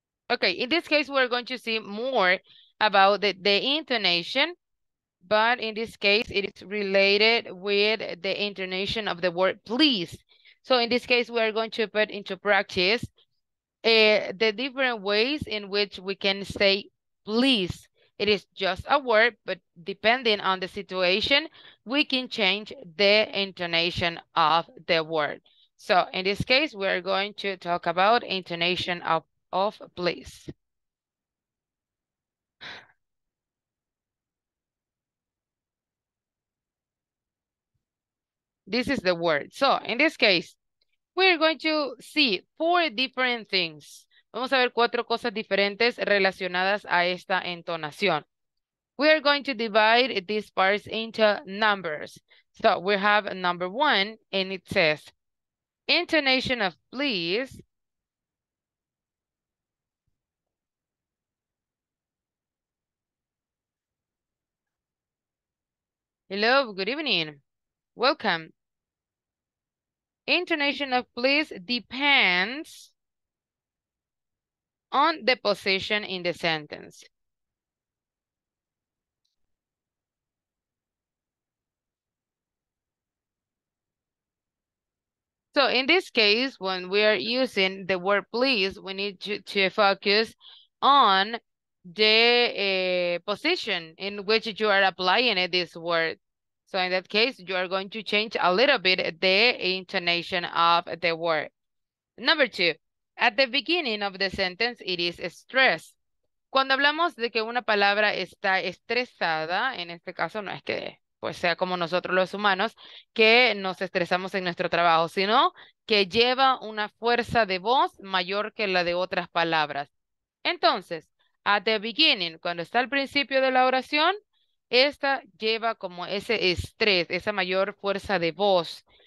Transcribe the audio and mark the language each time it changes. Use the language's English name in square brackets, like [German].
[English] Okay, in this case, we're going to see more about the intonation, but in this case, it is related with the intonation of the word please. So in this case, we are going to put into practice the different ways in which we can say please. It is just a word, but depending on the situation, we can change the intonation of the word. So in this case, we are going to talk about intonation of please. This is the word. So in this case, we're going to see four different things. [Spanish] Vamos a ver cuatro cosas diferentes relacionadas a esta entonación. [English] We are going to divide these parts into numbers. So we have number one, and it says intonation of please. Hello, good evening. Welcome. Intonation of please depends on the position in the sentence. So in this case, when we are using the word please, we need to focus on the position in which you are applying it, this word. So in that case, you are going to change a little bit the intonation of the word. Number two, at the beginning of the sentence, it is stress. [Spanish] Cuando hablamos de que una palabra está estresada, en este caso no es que pues sea como nosotros los humanos, que nos estresamos en nuestro trabajo, sino que lleva una fuerza de voz mayor que la de otras palabras. Entonces, [English] at the beginning, [Spanish] cuando está al principio de la oración, esta lleva como ese estrés, esa mayor fuerza de voz.